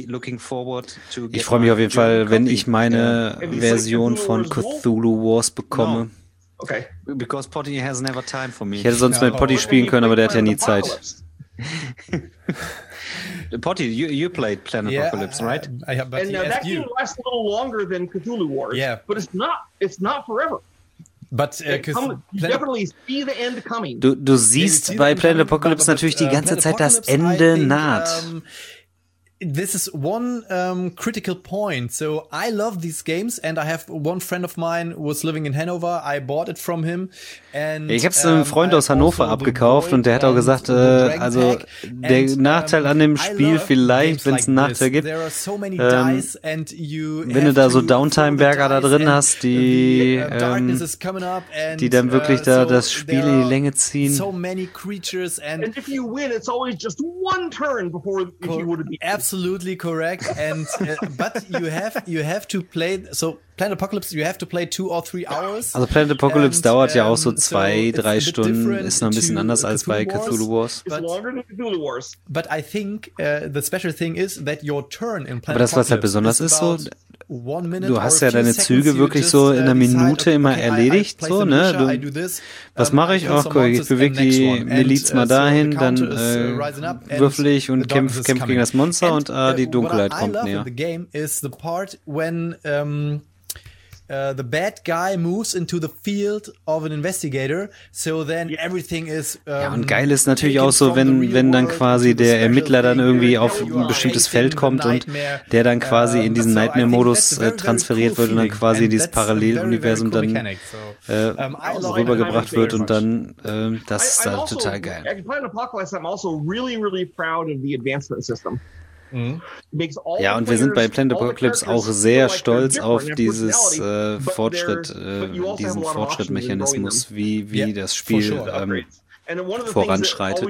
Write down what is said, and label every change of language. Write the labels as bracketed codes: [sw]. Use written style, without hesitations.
[de] Ich freue mich auf jeden Fall, wenn ich meine Version von Cthulhu Wars bekomme. Ich hätte sonst mit Potty spielen können, aber der hat ja nie Zeit. [en] Potty, you played Planet Apocalypse, right? And that game lasts a little longer than Cthulhu Wars, yeah. But it's not forever. But [de] du siehst bei Planet Apocalypse natürlich die ganze Zeit das Ende naht. [en] This is one critical point. So I love these games and I have one friend of mine who was living in Hanover. I bought it from him. And, [de] ich habe es einem Freund aus Hannover abgekauft und der hat auch gesagt, also der Nachteil an dem Spiel vielleicht, wenn es einen Nachteil gibt, wenn du da so Downtime-Berger da drin hast, die dann wirklich da das Spiel in die Länge ziehen. [en] So many creatures and if you win, it's always just one turn before if you would be absolutely correct. And but you have to play so. Planet Apocalypse, you have to play 2 or 3 hours. [de] Also Planet Apocalypse dauert ja auch so 2-3 Stunden, ist noch ein bisschen anders als bei Cthulhu Wars. [en] But I think the special thing is that your turn in Planet [de] Apocalypse. Aber das, was halt besonders ist, so, du hast ja deine Züge wirklich so in einer Minute immer erledigt, so, ne? Was mache ich? Ach, guck, ich bewege die Miliz mal dahin, dann würfel ich und kämpf gegen das Monster und die Dunkelheit kommt näher. [en] The game is the part when the bad guy moves into the field of an investigator, so then everything is [de] ja, und geil ist natürlich auch so, wenn dann quasi der Ermittler dann irgendwie auf ein bestimmtes Feld kommt und der dann quasi in diesen Nightmare-Modus transferiert wird und dann quasi in dieses Paralleluniversum dann rübergebracht wird und dann das ist halt total geil. [en] I'm also really, really proud of the advancement system. [de] Ja, und wir sind bei Planet Apocalypse auch sehr stolz auf dieses Fortschritt, diesen Fortschrittmechanismus, wie das Spiel voranschreitet.